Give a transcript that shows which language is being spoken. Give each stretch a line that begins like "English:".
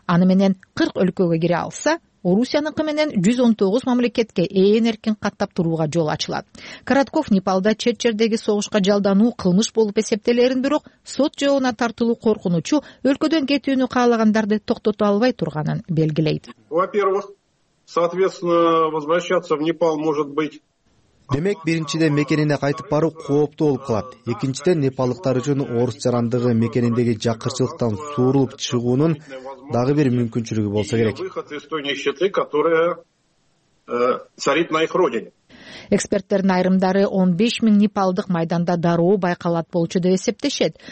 Kyrgyz: Аны менен 40 өлкөгө кире алса, Орусияныкы менен 119 мамлекетке ээн эркин каттап турууга жол ачылат. Коротков Непалда чет жердеги согушка жалдануу кылмыш болуп эсептелерин, бирок сот жообуна тартылуу коркунучу өлкөдөн кетүүнү каалагандарды токтото албай турганын белгилейт.
Russian: Во-первых, соответственно, возвращаться в Непал может быть.
Kyrgyz: Демек, биринчиден мекенине кайтып баруу кооптуу болуп калат. Экинчиден, непалдыктар үчүн орус жарандыгы мекениндеги жакырчылыктан суурулуп чыгуунун дагы бир мүмкүнчүлүгү болсо керек. Эксперттердин айрымдары 15 000 непалдык майданда дароо байкалат болчу деп эсептешет.